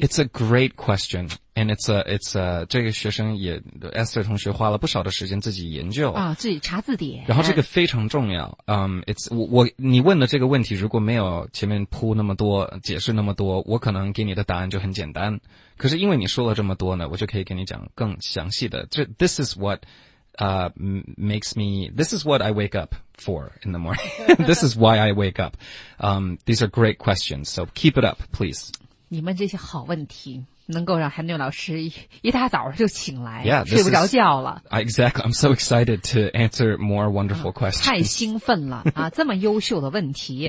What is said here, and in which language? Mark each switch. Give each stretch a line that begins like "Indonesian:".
English: it's a great questionAnd it's a,
Chinese: 这个学生也 ,Esther 同学花了不少的时间自己研究。啊、自己查字典。然后这个非常重要。你问的这个问题如果没有前面铺那么多解释那么多，我可能给你的答案就很简单。可是因为你说了这么多呢，我就可以给你讲更详细的。
English: This is what I wake up for in the morning. This is why I wake up. These are great questions. So keep it up, please.
Chinese: 你们这些好问题。能够让韩牛老师一大早就醒来
English: yeah,
Chinese: 睡不着觉了。
English: Exactly, I'm so excited to answer more wonderful questions.
Chinese: 太兴奋了啊这么优秀的问题。